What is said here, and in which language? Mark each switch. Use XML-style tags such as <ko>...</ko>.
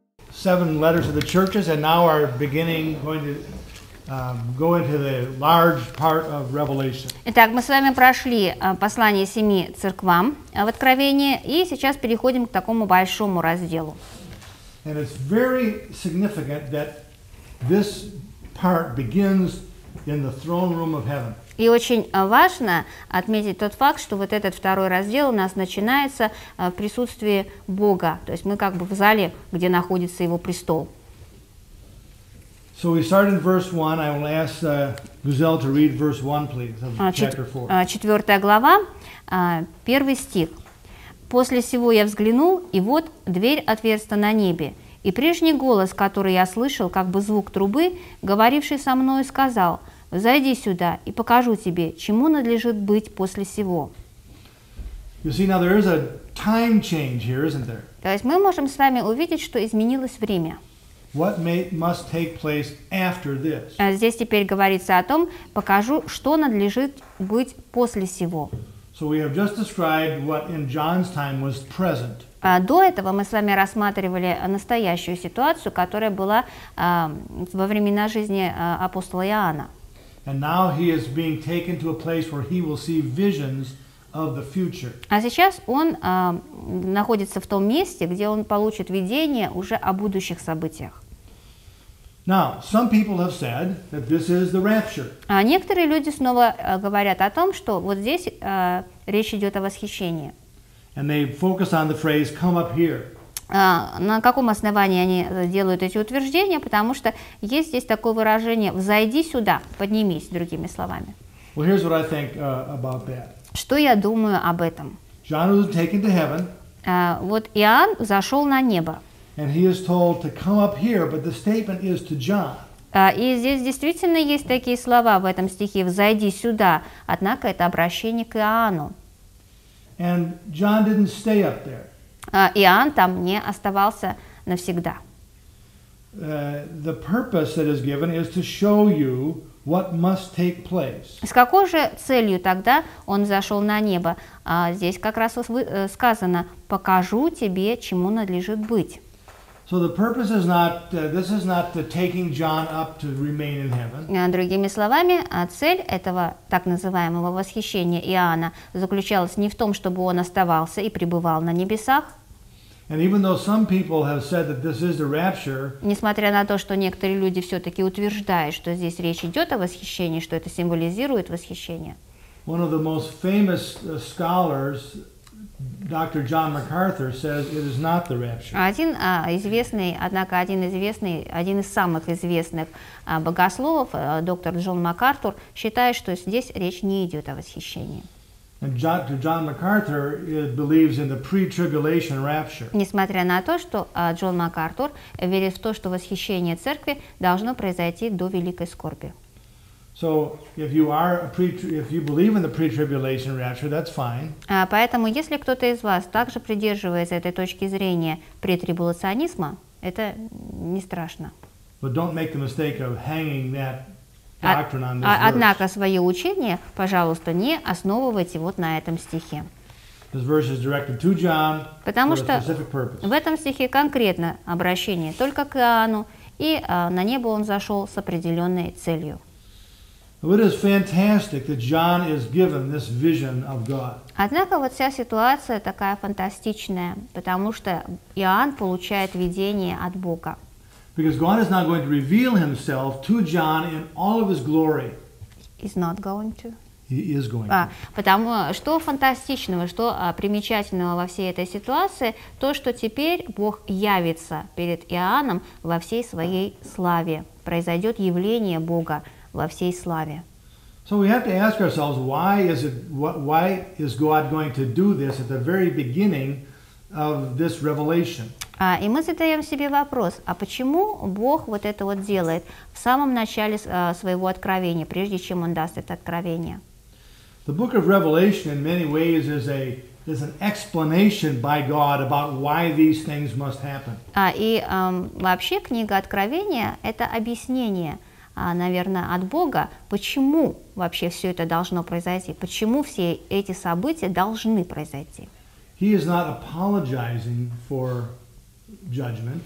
<en>seven letters of the churches, and now are beginning, going to go into the large part of Revelation.</en> <ru>Итак, мы с вами прошли послание семи церквам в Откровении, и сейчас переходим к такому большому разделу.</ru> <en>And it's very significant that this part begins in the throne room of heaven.</en> <ru>И очень важно отметить тот факт, что вот этот второй раздел у нас начинается в присутствии Бога. То есть мы как бы в зале, где находится Его престол.</ru> <en>So we start in verse 1. I will ask Gazelle to read verse 1, please, of chapter 4.</en> <ru>Четвертая глава, первый стих. «После сего я взглянул, и вот дверь отверста на небе. И прежний голос, который я слышал, как бы звук трубы, говоривший со мною, сказал: «Зайди сюда, и покажу тебе, чему надлежит быть после сего».</ru> <en>You see, now there is a time change here, isn't there?</en> <ru>То есть мы можем с вами увидеть, что изменилось время.</ru> <en>What must take place after this?</en> <ru>Здесь теперь говорится о том, покажу, что надлежит быть после сего.</ru> <en>So we have just described what in John's time was present.</en> <ru>До этого мы с вами рассматривали настоящую ситуацию, которая была во времена жизни апостола Иоанна.</ru> <en>And now he is being taken to a place where he will see visions of the future.</en> <ru>А сейчас он находится в том месте, где он получит видение уже о будущих событиях.</ru> <en>Now, some people have said that this is the rapture.</en> <ru>А некоторые люди снова говорят о том, что вот здесь речь идет о восхищении.</ru> <en>And they focus on the phrase "come up here".</en> <ru>На каком основании они делают эти утверждения? Потому что есть здесь такое выражение «взойди сюда», «поднимись», другими словами.</ru> <en>Well, here's what I think, about that.</en> <ru>Что я думаю об этом?</ru> <en>John was taken to heaven,</en> <ru>вот Иоанн зашел на небо. И здесь действительно есть такие слова в этом стихе «взойди сюда», однако это обращение к Иоанну.</ru> <en>And John didn't stay up there.</en> <ru>Иоанн там не оставался навсегда.</ru> <en>The purpose that is given is to show you what must take place.</en> <ru>С какой же целью тогда он зашел на небо? Здесь как раз сказано: покажу тебе, чему надлежит быть.</ru> <en>So the purpose is not this is not the taking John up to remain in heaven.</en> <ru>Другими словами, цель этого так называемого восхищения Иоанна заключалась не в том, чтобы он оставался и пребывал на небесах.</ru> <en>And even though some people have said that this is the rapture,</en> <ru>несмотря на то, что некоторые люди все-таки утверждают, что здесь речь идет о восхищении, что это символизирует восхищение.</ru> <en>One of the most famous scholars, Dr. John MacArthur, says it is not the rapture.</en> <ru>Один из самых известных богословов, доктор Джон МакАртур, считает, что здесь речь не идет о восхищении.</ru> <en>And Dr. John MacArthur believes in the pre-tribulation rapture.</en> <ru>Несмотря на то, что Джон МакАртур верит в то, что восхищение церкви должно произойти до великой скорби.</ru> <en>So, if you believe in the pre-tribulation rapture, that's fine.</en> <ru>Поэтому, если кто-то из вас также придерживается этой точки зрения претрибуляционизма, это не страшно.</ru> <en>But don't make the mistake of hanging that.</en> <ru>Однако свое учение, пожалуйста, не основывайте вот на этом стихе.</ru> <en>This verse is directed to John</en> <ru>Потому что в этом стихе конкретно обращение только к Иоанну, и на небо он зашел с определенной целью.</ru> <en>It is fantastic that John is given this vision of God.</en> <ru>Однако вот вся ситуация такая фантастичная, потому что Иоанн получает видение от Бога.</ru> <en>Because God is not going to reveal himself to John in all of his glory. He's not going to. He is going to.</en> <ru>Потому что фантастичного, что примечательного во всей этой ситуации, то, что теперь Бог явится перед Иоанном во всей своей славе. Произойдет явление Бога во всей славе.</ru> <en>So we have to ask ourselves, why is God going to do this at the very beginning of this revelation?</en> <ru>И мы задаем себе вопрос, а почему Бог вот это вот делает в самом начале своего откровения, прежде чем Он даст это откровение?</ru> <en>The book of Revelation in many ways is an explanation by God about why these things must happen.</en> <ru>Вообще книга Откровения — это объяснение, наверное, от Бога, почему вообще все это должно произойти, почему все эти события должны произойти.</ru> <en>He is not apologizing for judgment.</en>